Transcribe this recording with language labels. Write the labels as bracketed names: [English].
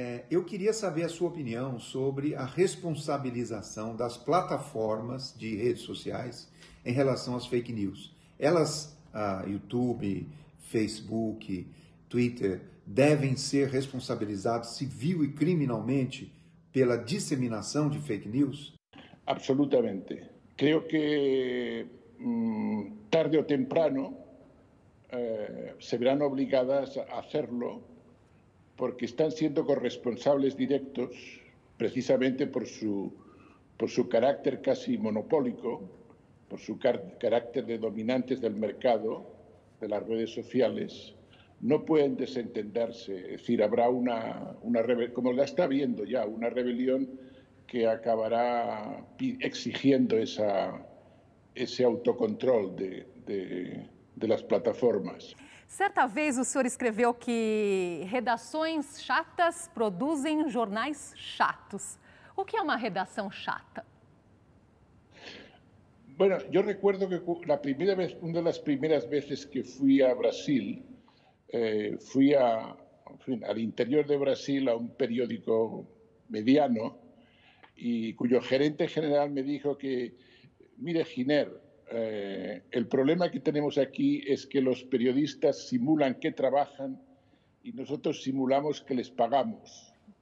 [Portuguese] Eu queria saber a sua opinião sobre a responsabilização das plataformas de redes sociais em relação às fake news. Elas, YouTube, Facebook, Twitter, devem ser responsabilizados civil e criminalmente pela disseminação de fake news? Absolutamente. [Spanish] Creo que tarde ou temprano se verán obligadas a hacerlo, porque están siendo corresponsables directos precisamente por su carácter casi monopólico, por su carácter de dominantes del mercado, de las redes sociales. No pueden desentenderse, es decir, habrá una rebelión, como la está viendo ya, una rebelión que acabará exigiendo ese autocontrol de las plataformas. [Portuguese] Certa vez o senhor escreveu que redações chatas produzem jornais chatos. O que é uma redação chata? [Spanish] Bueno, yo recuerdo que la primera vez, una de las primeras veces que fui a Brasil, fui a, en fin, al interior de Brasil a un periódico mediano y cuyo gerente general me dijo que, mire, Giner, el problema que tenemos aquí es que los periodistas simulan que trabajan y nosotros simulamos que les pagamos.